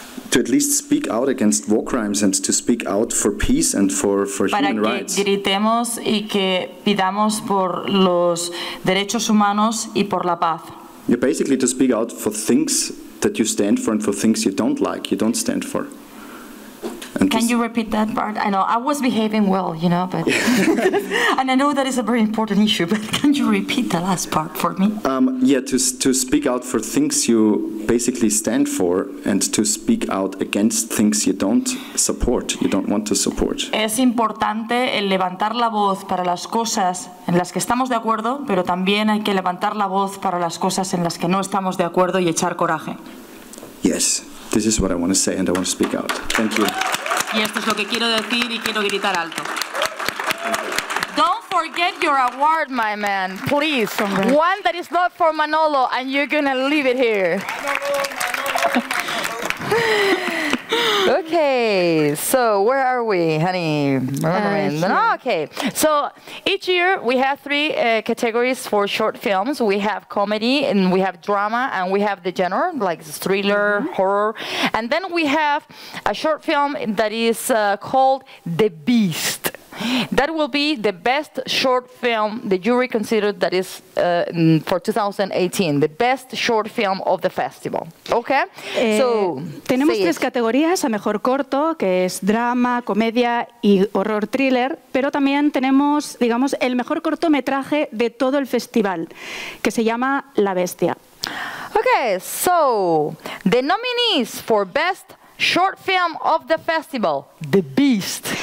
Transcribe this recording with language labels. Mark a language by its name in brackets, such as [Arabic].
[English] To at least speak out against war crimes and to speak out for peace and for human rights. [Spanish] Para que gritemos y que pidamos por los derechos humanos y por la paz. [English] You're basically to speak out for things that you stand for and for things you don't like, you don't stand for. And can you repeat that part? I know I was behaving well, you know, but and I know that is a very important issue, but can you repeat the last part for me? To speak out for things you basically stand for and to speak out against things you don't support, you don't want to support. [Spanish] Es importante el levantar la voz para las cosas en las que estamos de acuerdo, pero también hay que levantar la voz para las cosas en las que no estamos de acuerdo y echar coraje. [English] Yes. This is what I want to say and I want to speak out. Thank you. [Spanish] Y esto es lo que quiero decir y quiero gritar alto. [English] Don't forget your award, my man. Please. Congrats. One that is not for Manolo and you're going to leave it here. Okay, so where are we, honey? Okay, so each year we have three categories for short films. We have comedy, and we have drama, and we have the genre, like thriller, mm-hmm. horror. And then we have a short film that is called The Beast. That will be the best short film the jury considered that is for 2018, the best short film of the festival. Okay? So, [Spanish] tenemos tres categorías, a mejor corto, que es drama, comedia y horror thriller, pero también tenemos, digamos, el mejor cortometraje de todo el festival, que se llama La Bestia. [English] Okay, so the nominees for best short film of the festival, The Beast.